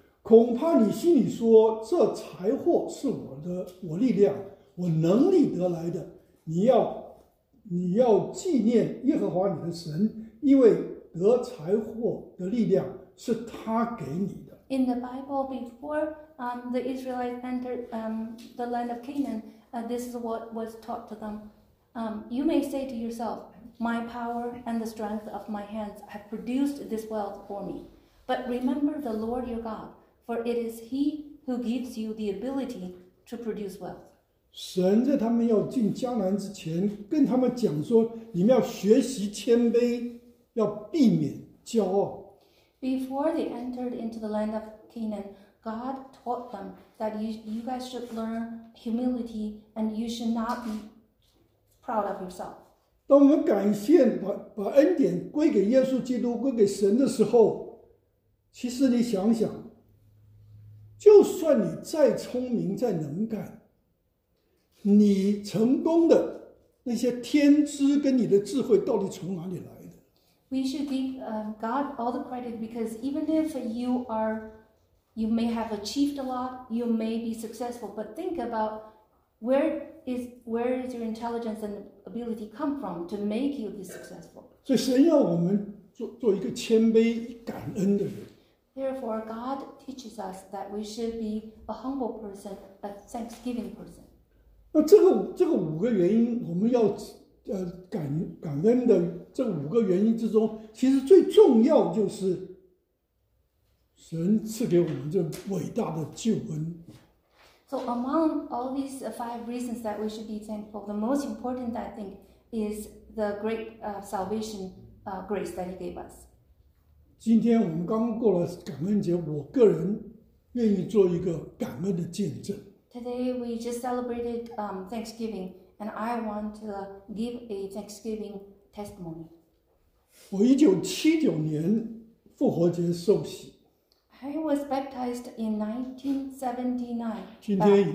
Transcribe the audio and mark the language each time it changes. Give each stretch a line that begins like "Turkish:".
Chinese: 恐怕你心里说，这财货是我力量，我能力得来的。你要纪念耶和华你的神，因为得财货的力量是他给你的。
English: In the Bible, before the Israelites entered the land of Canaan, this is what was taught to them. You may say to yourself, "My power and the strength of my hands have produced this wealth for me." But remember the Lord your God. For it is He who gives you the ability to produce wealth.
Chinese: 神在他们要进迦南之前，跟他们讲说，你们要学习谦卑，要避免骄傲。
English: Before they entered into the land of Canaan, God taught them that you guys should learn humility and you should not be proud of yourself.
Chinese: 当我们感谢把恩典归给耶稣基督，归给神的时候，其实你想想。就算你再聪明再能干，你成功的那些天资跟你的智慧到底从哪里来的？
English: We should give God all the credit because even if you may have achieved a lot, you may be successful, but think about where is your intelligence and ability come from to make you this successful.
Chinese: 所以神要我们 做一个谦卑感恩的人。
English: Therefore, God teaches us that we should be a humble person, a thanksgiving person.
Chinese: 那这个五个原因，我们要感恩的这五个原因之中，其实最重要就是神赐给我们这伟大的救恩。
English: So among all these five reasons that we should be thankful, the most important, I think, is the great salvation grace that He gave us.
Chinese: 今天我们刚过了感恩节，我个人愿意做一个感恩的见证。
English: Today we just celebrated Thanksgiving, and I want to give a Thanksgiving testimony.
Chinese: 我1979年复活节受洗。
English: I was baptized in 1979.
Chinese: 今天